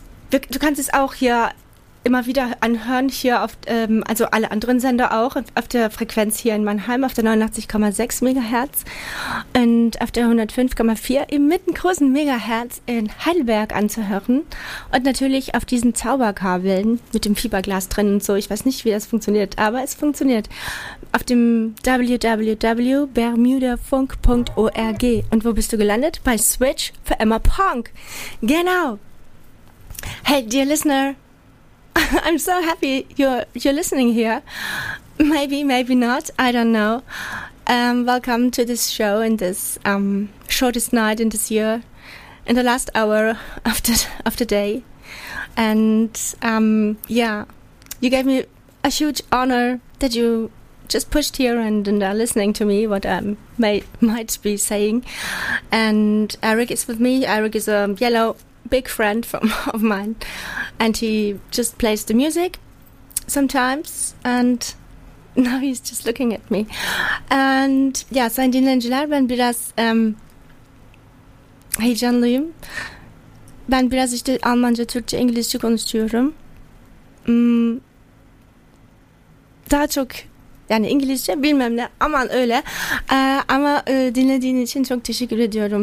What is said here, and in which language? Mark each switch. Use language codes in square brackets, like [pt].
[de] Du kannst es auch hier immer wieder anhören, hier auf, also alle anderen Sender auch, auf der Frequenz hier in Mannheim, auf der 89,6 MHz und auf der 105,4 im mittengroßen Megahertz in Heidelberg anzuhören und natürlich auf diesen Zauberkabeln mit dem Fiberglas drin und so. Ich weiß nicht, wie das funktioniert, aber es funktioniert. Auf dem www.bermudafunk.org. Und wo bist du gelandet? Bei Switch für Emma Punk. Genau. [en] Hey, dear listener, I'm so happy you're listening here. Maybe, maybe not. I don't know. Welcome to this show in this shortest night in this year, in the last hour of the day. And yeah, you gave me a huge honor that you just pushed here and are listening to me, what I might be saying. And Eric is with me. Eric is a yellow big friend of mine, and he just plays the music sometimes, and now he's just looking at me. [tr] And yeah, sein dinleyiciler ben biraz heyecanlıyım. Ben biraz işte Almanca, Türkçe, İngilizce konuşuyorum. Daha çok yani İngilizce bilmem ne, aman öyle. Ama dinlediğin için çok teşekkür ediyorum.